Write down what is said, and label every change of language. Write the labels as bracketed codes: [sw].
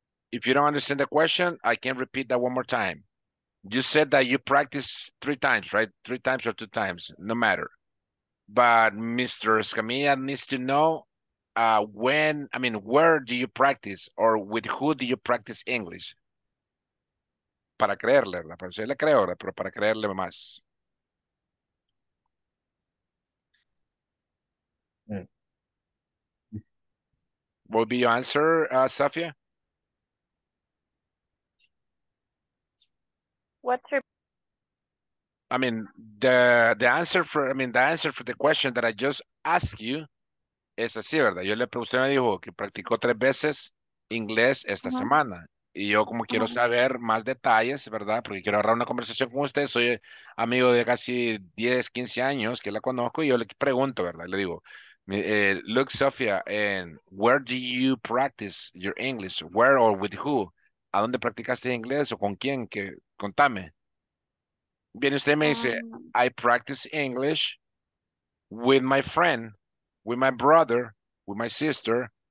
[en] If you don't understand the question, I can repeat that one more time. You said that you practice 3 times, right? 3 times or 2 times, no matter. But Mr. Escamilla needs to know where do you practice or with who do you practice English? [es] Para creerle, para ser le creo, pero para creerle más. [en] What would be your answer, Safia? The answer for the question that I just asked you [es] es así, ¿verdad? Yo le pregunté, me dijo que practicó 3 veces inglés esta uh-huh. semana. Y yo como quiero uh-huh. saber más detalles, ¿verdad? Porque quiero agarrar una conversación con usted. Soy amigo de casi 10, 15 años que la conozco y yo le pregunto, ¿verdad? Le digo, [en] look, Sofía, where do you practice your English? Where or with who? [es] ¿A dónde practicaste inglés o con quién? ¿Qué? Contame. Bien, usted me dice, [en] I practice English with my friend, with my brother, with my sister.